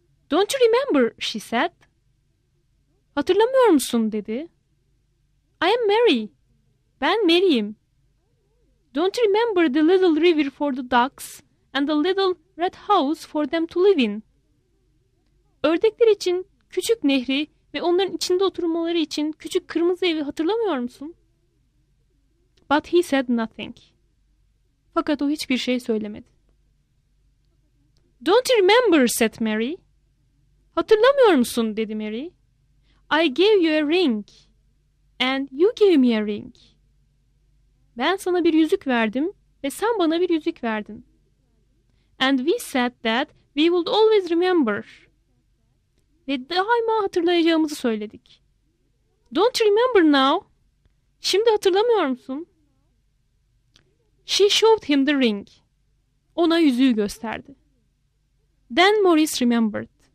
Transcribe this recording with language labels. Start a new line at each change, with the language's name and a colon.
English: Don't you remember, she said.
Turkish: Hatırlamıyor musun, dedi.
English: I am Mary.
Turkish: Ben Mary'yim.
English: Don't you remember the little river for the ducks and the little red house for them to live in?
Turkish: Ördekler için küçük nehri ve onların içinde oturmaları için küçük kırmızı evi hatırlamıyor musun?
English: But he said nothing.
Turkish: Fakat o hiçbir şey söylemedi.
English: Don't you remember, said Mary.
Turkish: Hatırlamıyor musun, dedi Mary.
English: I gave you a ring and you gave me a ring.
Turkish: Ben sana bir yüzük verdim ve sen bana bir yüzük verdin.
English: And we said that we would always remember.
Turkish: Ve daima hatırlayacağımızı söyledik.
English: Don't you remember now?
Turkish: Şimdi hatırlamıyor musun?
English: She showed him the ring.
Turkish: Ona yüzüğü gösterdi.
English: Then Maurice remembered.